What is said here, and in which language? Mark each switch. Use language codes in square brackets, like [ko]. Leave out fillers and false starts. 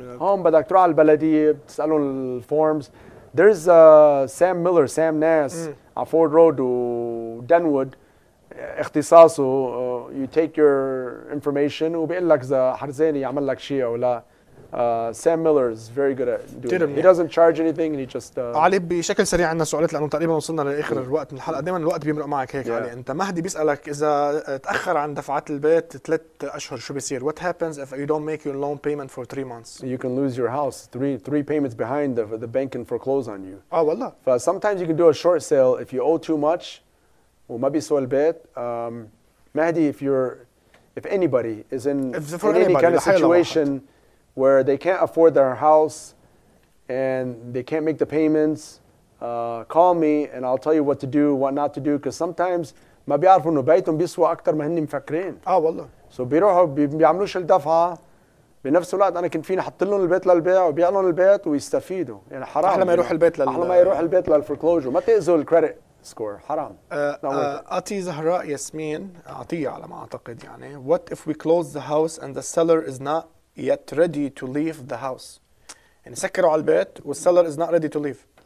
[ar] هون بدك تروح على البلديه بتسالهم الفورمز ذيرز سام ميلر سام ناس على فورد رود ودنوود اختصاصه [en] you take your information [ar] وبيقول لك اذا حرزاني يعمل لك شيء او لا سام ميلر [en] is very good at he doesn't charge anything he just [ar] علي بشكل سريع عندنا سؤالات لانه تقريبا وصلنا لاخر الوقت من الحلقه دائما الوقت بيمرق معك هيك علي انت مهدي بيسالك اذا تاخر عن دفعات البيت 3 اشهر شو بيصير [en] what happens if you don't make your loan payment for 3 months you can lose your house three payments behind the bank can foreclose on you [ar] اه والله [en] sometimes you can do a short sale if you owe too much [ar] وما بيسوى البيت [en] مهدي if anybody is in any kind of situation where they can't afford their house and they can't make the payments call me and I'll tell you what to do what not to do because sometimes [ar] ما بيعرفوا انه بيتهم بيسوى اكثر ما هن مفكرين والله سو بيروحوا بيعملوش الدفعه بنفس الوقت انا كنت فيني احط لهم البيت للبيع وبيعلن البيت ويستفيدوا يعني حرام احلى ما يروح البيت احلى ما يروح البيت للفوركلوجر ما تاذوا الكريدت score حرام [en] اتي زهراء ياسمين عطيه [ar] على ما اعتقد يعني [en] what if we close the house and the seller is not yet ready to leave the house [ar] يعني سكروا على البيت والسيلر [en] is not ready to leave